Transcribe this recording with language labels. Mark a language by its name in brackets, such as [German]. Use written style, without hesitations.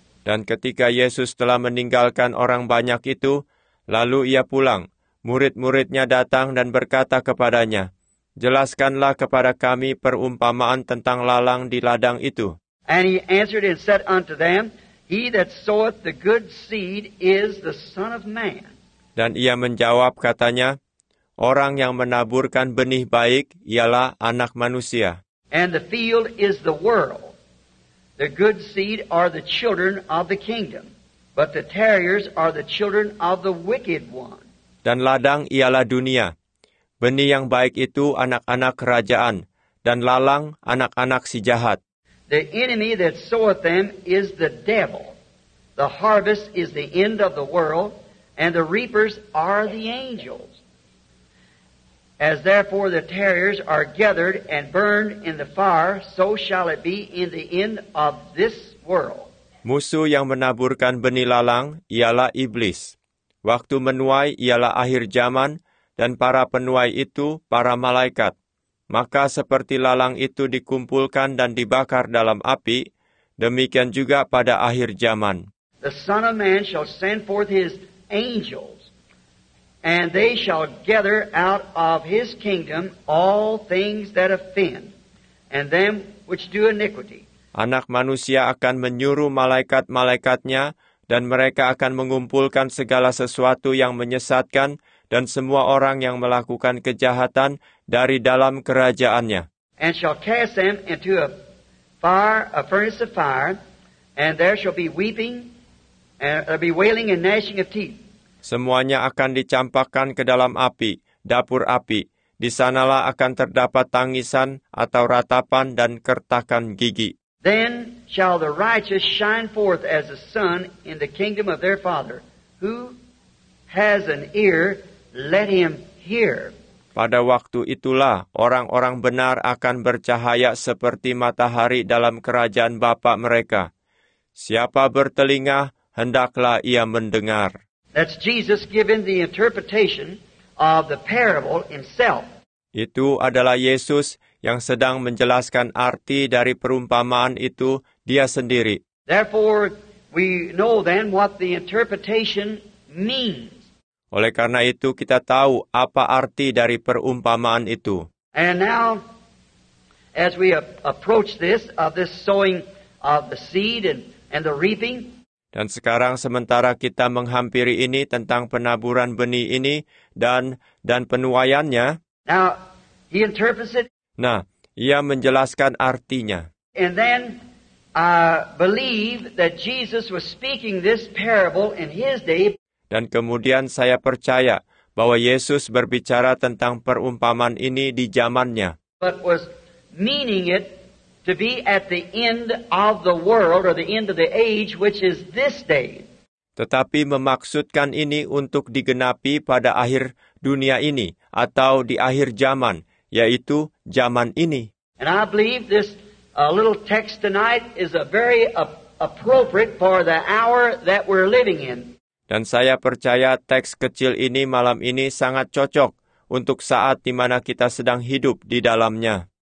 [Indonesian] Dan ketika Yesus telah meninggalkan orang banyak itu, lalu ia pulang. Murid-muridnya datang dan berkata kepadanya, jelaskanlah kepada kami perumpamaan tentang lalang di ladang itu. [English] And he answered and said unto them, he that soweth the good seed is the Son of Man. [Indonesian] Dan ia menjawab katanya, orang yang menaburkan benih baik ialah anak manusia. [English] And the field is the world. The good seed are the children of the kingdom, but the tares are the children of the wicked one. [Indonesian] Dan ladang ialah dunia. Benih yang baik itu anak-anak kerajaan, dan lalang anak-anak si jahat. [English] The enemy that soweth them is the devil. The harvest is the end of the world, and the reapers are the angels. As therefore the tares are gathered and burned in the fire, so shall it be in the end of this world. [Indonesian] Musuh yang menaburkan benih lalang ialah iblis. Waktu menuai ialah akhir zaman, dan para penuai itu para malaikat. Maka seperti lalang itu dikumpulkan dan dibakar dalam api, demikian juga pada akhir zaman. [English] The Son of Man shall send forth his angels, and they shall gather out of his kingdom all things that offend, and them which do iniquity. [Indonesian] Anak manusia akan menyuruh malaikat-malaikatnya, dan mereka akan mengumpulkan segala sesuatu yang menyesatkan dan semua orang yang melakukan kejahatan dari dalam kerajaannya. [English] And shall cast them into a fire, a furnace of fire, and there shall be weeping, and there'll be wailing and gnashing of teeth. [Indonesian] Semuanya akan dicampakkan ke dalam api, dapur api. Di sanalah akan terdapat tangisan atau ratapan dan kertakan gigi. [English] Then shall the righteous shine forth as a sun in the kingdom of their father. Who has an ear, let him hear. [Indonesian] Pada waktu itulah orang-orang benar akan bercahaya seperti matahari dalam kerajaan Bapa mereka. Siapa bertelinga, hendaklah ia mendengar. [English] That's Jesus giving the interpretation of the parable himself. [Indonesian] Itu adalah Yesus yang sedang menjelaskan arti dari perumpamaan itu dia sendiri. [English] Therefore, we know then what the interpretation means. [Indonesian] Oleh karena itu, kita tahu apa arti dari perumpamaan itu. [English] And now, as we approach this, of this sowing of the seed and the reaping. [Indonesian] Dan sekarang sementara kita menghampiri ini tentang penaburan benih ini dan penuaiannya. [English] Now, he interprets it. [Indonesian] Nah, ia menjelaskan artinya. [English] And then I believe that Jesus was speaking this parable in his day. [Indonesian] Dan kemudian saya percaya bahwa Yesus berbicara tentang perumpamaan ini di zamannya. [English] But was meaning it to be at the end of the world or the end of the age, which is this day. [Indonesian] Tetapi memaksudkan ini untuk digenapi pada akhir dunia ini atau di akhir zaman, yaitu zaman ini. [English] And I believe this little text tonight is a very appropriate for the hour that we're living in. [Indonesian] Dan saya percaya teks kecil ini malam ini sangat cocok untuk saat di mana kita sedang hidup di dalamnya.